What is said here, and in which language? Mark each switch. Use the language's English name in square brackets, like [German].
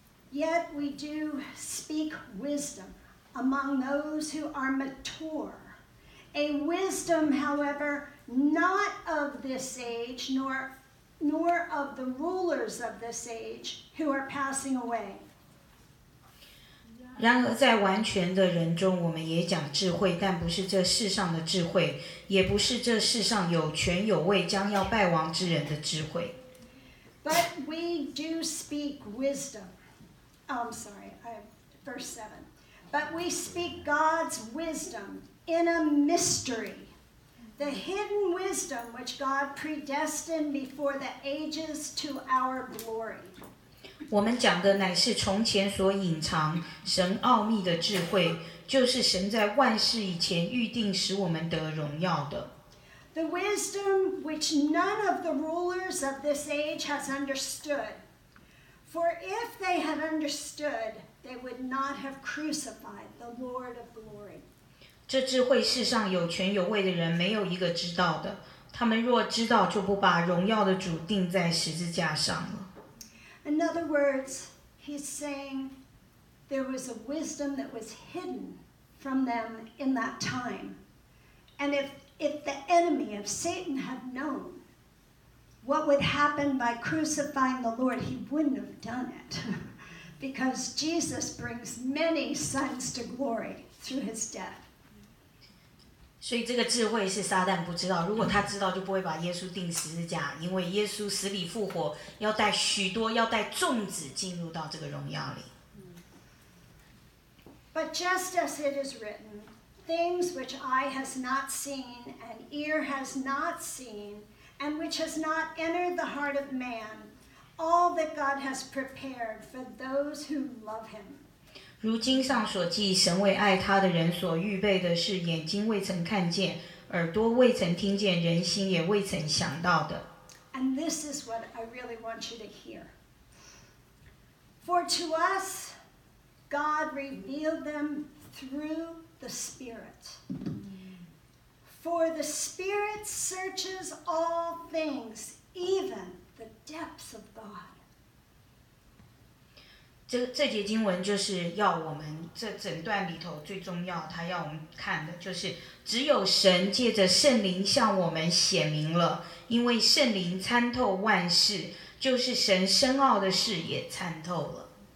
[English] Yet we do speak wisdom among those who are mature. A wisdom, however, not of this age, nor of the rulers of this age who are passing away. [Chinese] 然而在完全的人中，我们也讲智慧，但不是这世上的智慧，也不是这世上有权有位将要败亡之人的智慧。 [English] But we do speak wisdom. Oh, I'm sorry, verse 7. But we speak God's wisdom in a mystery, the hidden wisdom which God predestined before the ages to our glory. [Chinese] 我们讲的乃是从前所隐藏神奥秘的智慧，就是神在万事以前预定使我们得荣耀的。 [English] The wisdom which none of the rulers of this age has understood. For if they had understood, they would not have crucified the Lord of glory. [Chinese] 这智慧世上有权有位的人没有一个知道的，他们若知道，就不把荣耀的主钉在十字架上了。 [English] In other words, he's saying there was a wisdom that was hidden from them in that time. And if the enemy of Satan had known what would happen by crucifying the Lord, he wouldn't have done it. Because Jesus brings many sons to glory through his death. [Chinese] 所以这个智慧是撒旦不知道，如果他知道就不会把耶稣钉十字架，因为耶稣死里复活要带许多，要带众子进入到这个荣耀里。 [English] But just as it is written,Things which eye has not seen, and ear has not seen, and which has not entered the heart of man, all that God has prepared for those who love him. [Chinese] 如经上所记，神为爱他的人所预备的是眼睛未曾看见，耳朵未曾听见，人心也未曾想到的。 [English] And this is what I really want you to hear. For to us, God revealed them through the Spirit. For the Spirit searches all things, even the depths of God. [Chinese] 这节经文就是要我们这整段里头最重要，他要我们看的就是只有神借着圣灵向我们显明了，因为圣灵参透万事，就是神深奥的事也参透了。